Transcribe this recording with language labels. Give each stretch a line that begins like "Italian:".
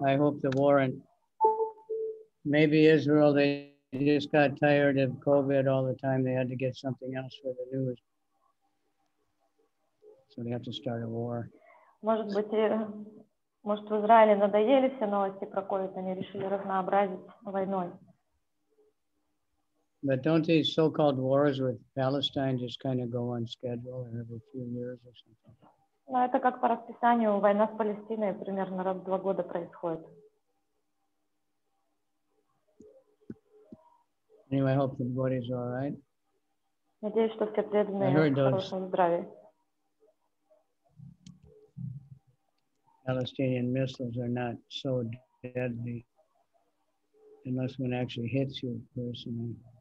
English: I hope the war and maybe Israel, they just got tired of COVID all the time. They had to get something else for the news. So they have to start a war.
Russian: Может быть, в Израиле надоели все новости про COVID, они решили разнообразить войной.
English: But don't these so-called wars with Palestine just kind of go on schedule and every few years or something?
Russian: Ну, это как по расписанию. Война с Палестиной примерно раз в два года происходит.
English: Anyway, I hope the body's all right.
Russian: Надеюсь, что все преданные в хорошем здравии.
English: Palestinian missiles are not so deadly unless one actually hits you personally.